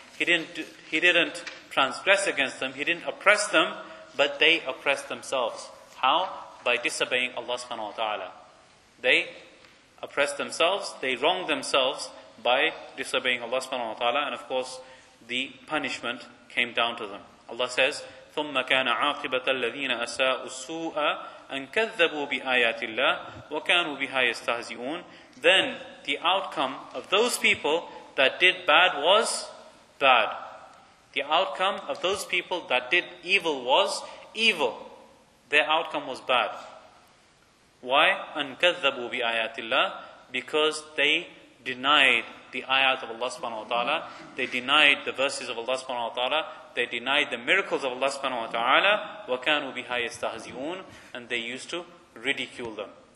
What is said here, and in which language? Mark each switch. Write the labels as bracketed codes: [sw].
[en] He didn't transgress against them. He didn't oppress them, but they oppressed themselves. How? By disobeying Allah subhanahu wa ta'ala. They oppressed themselves, they wronged themselves by disobeying Allah subhanahu wa ta'ala, and of course, the punishment came down to them. Allah says, [ar] ثُمَّ كَانَ عَاقِبَةَ الَّذِينَ أَسَاءُ السُّوءَ أَنْ كَذَّبُوا بِآيَاتِ اللَّهِ وَكَانُوا بِهَا يَسْتَهْزِئُونَ. [en] Then the outcome of those people that did bad was bad. The outcome of those people that did evil was evil. Their outcome was bad. Why? [ar] أَنْ كَذَّبُوا بِآيَاتِ اللَّهِ. [en] Because they denied the ayat of Allah subhanahu wa ta'ala, they denied the verses of Allah subhanahu wa ta'ala, they denied the miracles of Allah subhanahu wa ta'ala, [ar] وَكَانُوا بِهَا يَسْتَهْزِئُونَ, [en] and they used to ridicule them.